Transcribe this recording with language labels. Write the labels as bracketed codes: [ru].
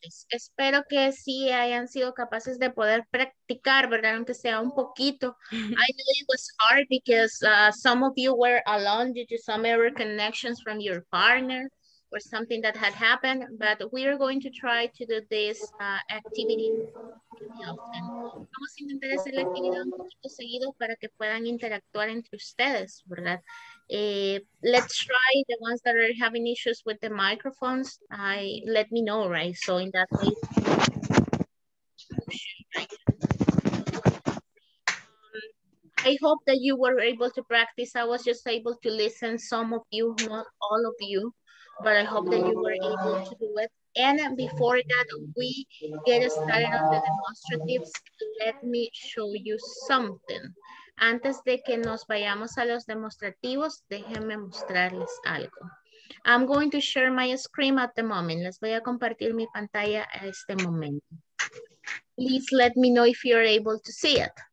[es] Espero que sí hayan sido capaces de poder practicar, ¿verdad? Aunque sea un poquito. [en] I know it was hard because some of you were alone due to some error connections from your partner or something that had happened, but we are going to try to do this activity. [es] Vamos a intentar hacer la actividad un poquito seguido para que puedan interactuar entre ustedes, ¿verdad? [en] Let's try the ones that are having issues with the microphones. Let me know, right? So in that way, I hope that you were able to practice. I was just able to listen some of you, not all of you, but I hope that you were able to do it. And before that, we get started on the demonstratives, let me show you something. [es] Antes de que nos vayamos a los demostrativos, déjenme mostrarles algo. [en] I'm going to share my screen at the moment. [es] Les voy a compartir mi pantalla a este momento. [en] Please let me know if you're able to see it.